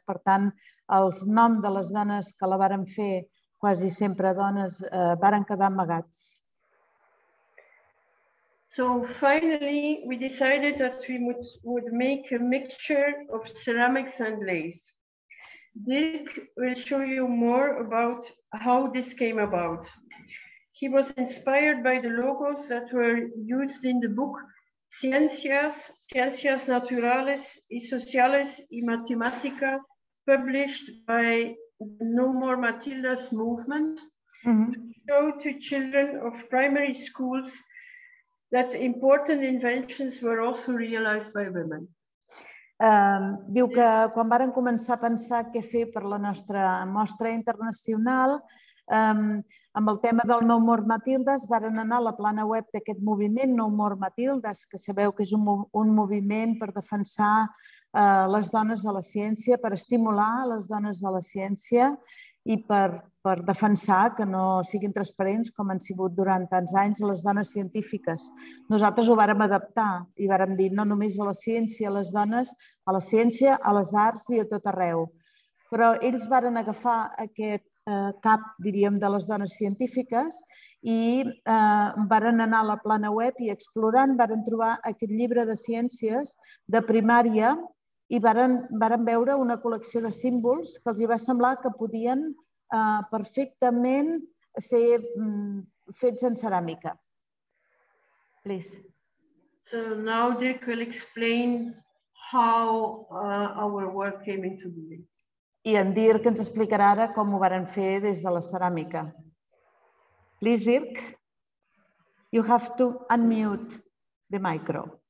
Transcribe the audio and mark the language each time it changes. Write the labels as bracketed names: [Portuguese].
[Catalan] Per tant, els noms de les dones que la varen fer, quasi sempre dones, varen quedar amagats. [English] So finally we decided that we would make a mixture of ceramics and lace. Dirk will show you more about how this came about. He was inspired by the logos that were used in the book Ciencias, Ciencias Naturales y Sociales y Matemática, published by No More Matildas movement, to show to children of primary schools that important inventions were also realized by women. [Catalan] Diu que quan varen començar a pensar què fer per la nostra mostra internacional, amb el tema del No More Matildas, varen anar a la plana web d'aquest moviment No More Matildas, que sabeu que és un moviment per defensar les dones a la ciència, per estimular les dones a la ciència i per defensar que no siguin transparents com han sigut durant tants anys les dones científiques. Nosaltres ho vàrem adaptar i vàrem dir no només a la ciència, a les dones, a la ciència, a les arts i a tot arreu. Però ells varen agafar aquest cap, diríem, de les dones científiques i varen anar a la plana web i explorant varen trobar aquest llibre de ciències de primària i varen veure una col·lecció de símbols que els hi va semblar que podien perfectament ser fets en ceràmica. [English] Please. So now Dirk will explain how our work came into being. [Catalan] I en Dirk ens explicarà ara com ho varen fer des de la ceràmica. [English] Please, Dirk, you have to unmute the micro.